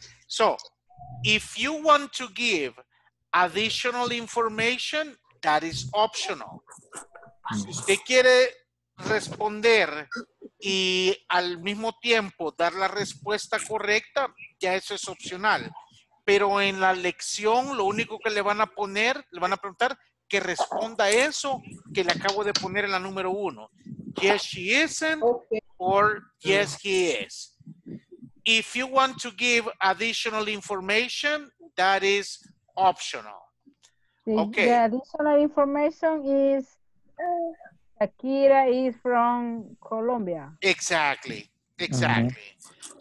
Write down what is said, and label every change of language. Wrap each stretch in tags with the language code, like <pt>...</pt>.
<en>So, if you want to give additional information, that is optional.</en> <es>Si usted quiere responder y al mismo tiempo dar la respuesta correcta, ya eso es opcional. Pero en la lección, lo único que le van a poner, le van a preguntar que responda eso que le acabo de poner en la número uno.</es> <en>Yes, she isn't, or yes, he is. If you want to give additional information, that is optional. Okay. The additional information is Shakira is from Colombia. Exactly. Exactly. Mm-hmm.</en>